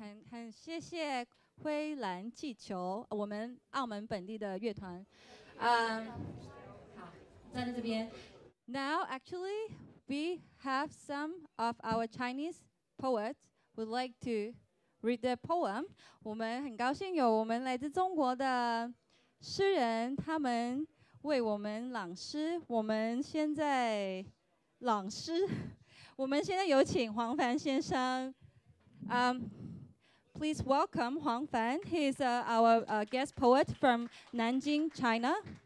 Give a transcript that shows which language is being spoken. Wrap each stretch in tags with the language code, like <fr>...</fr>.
<zh>很謝謝灰藍氣球，我們澳門本地的樂團。好，站在這邊。</zh> <en>Now, actually, we have some of our Chinese poets would like to. Read the poem.</en> <zh>我们很高兴有我们来自中国的诗人，他们为我们朗诗。我们现在朗诗。我们现在有请黄凡先生。</zh> <en>Please welcome Huang Fan. He's our guest poet from Nanjing, China.</en>